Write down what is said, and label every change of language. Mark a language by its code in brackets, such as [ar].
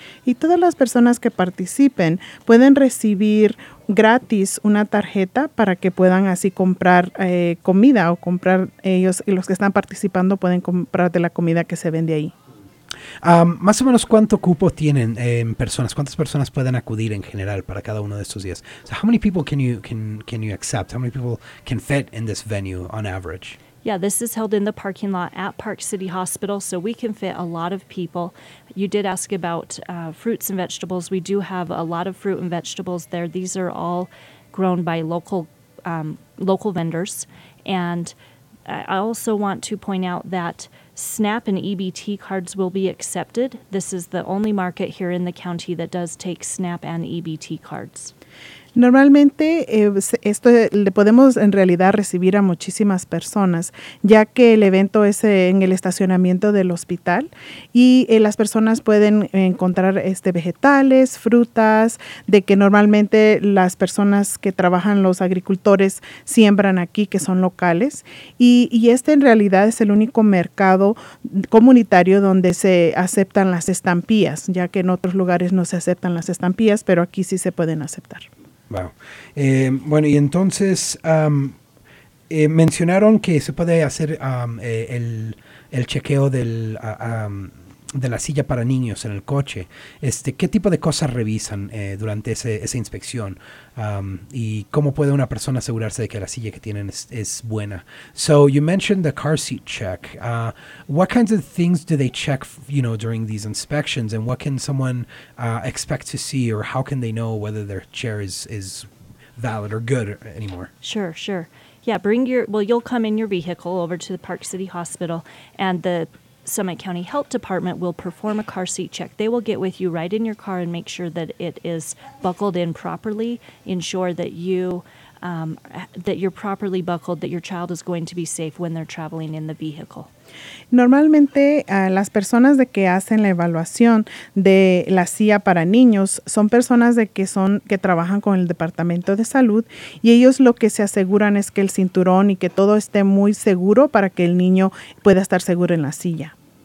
[es] Y todas las personas que participen pueden recibir gratis una tarjeta para que puedan así comprar comida o comprar ellos y los que están participando pueden comprar de la comida que se vende ahí. Más o menos, ¿cuánto cupo tienen personas? ¿Cuántas personas pueden acudir en general para cada uno de estos días? [en] So how many people can you accept? How many people can fit in this venue on average? Yeah, this is held in the parking lot at Park City Hospital, so we can fit a lot of people. You did ask about fruits and vegetables. We do have a lot of fruit and vegetables there. These are all grown by local vendors. And I also want to point out that SNAP and EBT cards will be accepted. This is the only market here in the county that does take SNAP and EBT cards. [es] Normalmente, esto le podemos en realidad recibir a muchísimas personas, ya que el evento es en el estacionamiento del hospital y las personas pueden encontrar vegetales, frutas, de que normalmente las personas que trabajan, los agricultores, siembran aquí, que son locales. Y este en realidad es el único mercado comunitario donde se aceptan las estampillas, ya que en otros lugares no se aceptan las estampillas, pero aquí sí se pueden aceptar. [en] Wow. [es] Bueno, y entonces mencionaron que se puede hacer el chequeo del de la silla para niños en el coche. ¿Qué tipo de cosas revisan durante esa inspección? Y cómo puede una persona asegurarse de que la silla que tienen es buena? [en] So you mentioned the car seat check. What kinds of things do they check, during these inspections? And what can someone expect to see, or how can they know whether their chair is valid or good anymore? Sure. Yeah, you'll come in your vehicle over to the Park City Hospital, and the Summit County Health Department will perform a car seat check. They will get with you right in your car and make sure that it is buckled in properly, ensure that you're properly buckled, that your child is going to be safe when they're traveling in the vehicle. [es] Normalmente, las personas de que hacen la evaluación de la silla para niños son personas de que son que trabajan con el Departamento de Salud, y ellos lo que se aseguran es que el cinturón y que todo esté muy seguro para que el niño pueda estar seguro en la silla.